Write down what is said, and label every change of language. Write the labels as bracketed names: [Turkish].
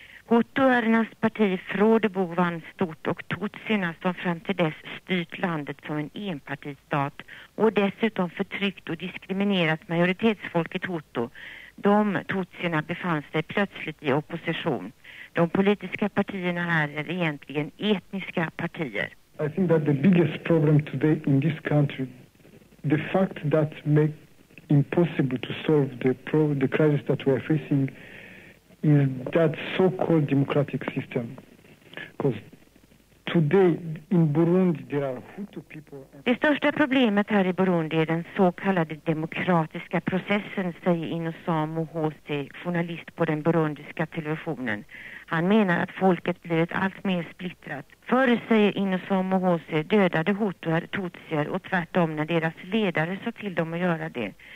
[Swedish] Hutuernas parti Frodebo vann stort och Tutsierna som fram till dess styrt landet som en enpartistat och dessutom förtryckt och diskriminerat majoritetsfolket Hutu. De Tutsierna befann sig plötsligt i opposition. De politiska partierna här är egentligen etniska partier. [English] I think that the biggest problem today in this country, the fact that make impossible to solve the crisis that we are facing, is that so-called democratic system. Because today in Burundi there are Hutu people. [Swedish] Det största problemet här i Burundi är den så kallade demokratiska processen, säger Innocent Muhoze, journalist på den burundiska televisionen. Han menar att folket blivit allt mer splittrat. Förr, säger Innocent Muhoze, dödade Hutuer Tutsier och tvärtom när deras ledare sa till dem att göra det.